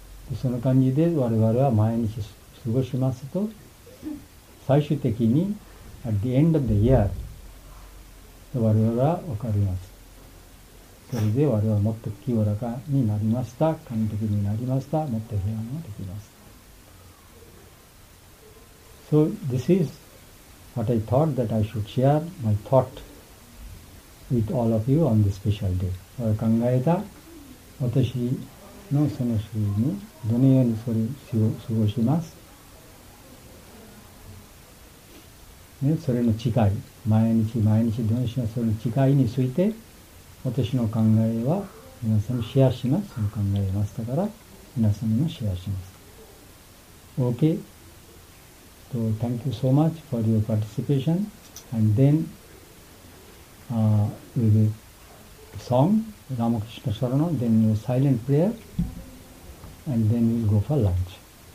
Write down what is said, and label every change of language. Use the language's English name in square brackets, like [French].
[Japanese] でその感じで我々は毎日過ごしますと、最終的に、 [English] at the end of the year、 [Japanese] 我々は分かります。それで我々はもっと清らかになりました、完璧になりました、もっと平安ができます。 [English] So this is what I thought that I should share my thought with all of you on this special day. [Japanese] 考えた私のその日にどのようにそれを過ごします、ね、それの誓い、毎日どのようにそれの誓いについて私の考えは皆さんにシェアします。その考えましたから、皆さんにもシェアします。 [English] Okay. So, thank you so much for your participation. And then, with the song, Ramakrishna Sarana, then your silent prayer, and then we'll go for lunch.